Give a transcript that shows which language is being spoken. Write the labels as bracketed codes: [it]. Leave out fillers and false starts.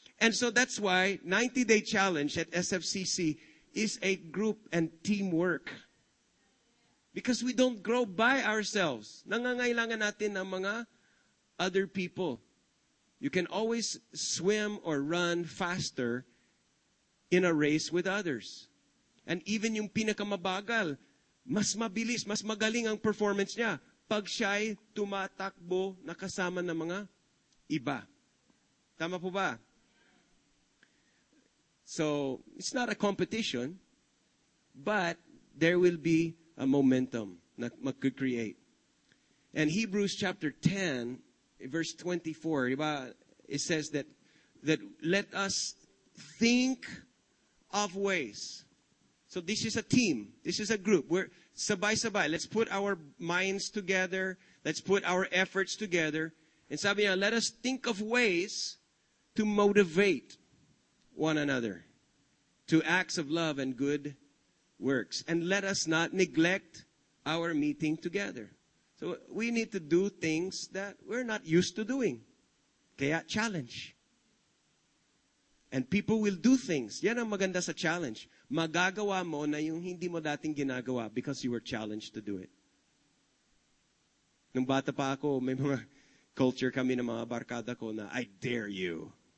[en] And so that's why 90-day challenge at SFCC is a group and teamwork. Because we don't grow by ourselves. [tl] Nangangailangan natin ng mga [en] other people. You can always swim or run faster in a race with others. And even [tl] yung pinakamabagal, mas mabilis, mas magaling ang performance niya pag siya'y tumatakbo nakasama ng mga iba. Tama po ba? [en] So, it's not a competition, but there will be a momentum [tl] na mag-create. [en] And Hebrews chapter 10, verse 24, it says that let us think of ways. So this is a team. This is a group. We're [tl] sabay-sabay. [en] Let's put our minds together. Let's put our efforts together. And [tl] sabi niya, [en] let us think of ways to motivate one another to acts of love and good works. And let us not neglect our meeting together. So we need to do things that we're not used to doing. [tl] Kaya [en] challenge. And people will do things. [tl] Yan ang maganda sa challenge. Magagawa mo na yung hindi mo dating ginagawa [en] because you were challenged to do it. [tl] Nung bata pa ako, may mga culture kami ng mga barkada ko na, [en] I dare you.